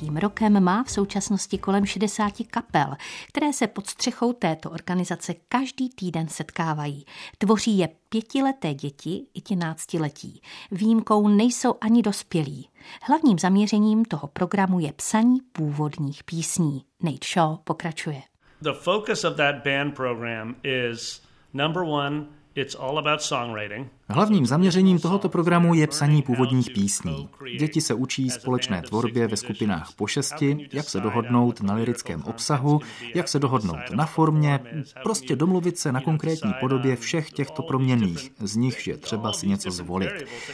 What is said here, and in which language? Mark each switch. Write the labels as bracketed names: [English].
[Czech] rokem, má v současnosti kolem 60 kapel, které se pod střechou této organizace každý týden setkávají. Tvoří je 5leté děti i ti 15letí. Výjimkou nejsou ani dospělí. Hlavním zaměřením toho programu je psaní původních písní. Nate Shaw pokračuje. [English] The focus of that band program is number one. It's all about songwriting. [Czech] Hlavním zaměřením tohoto programu je psaní původních písní. Děti se učí společné tvorbě ve skupinách po šesti, jak se dohodnout na lyrickém obsahu, jak se dohodnout na formě, prostě domluvit se na konkrétní podobě všech těchto proměnných, z nichž je třeba si něco zvolit.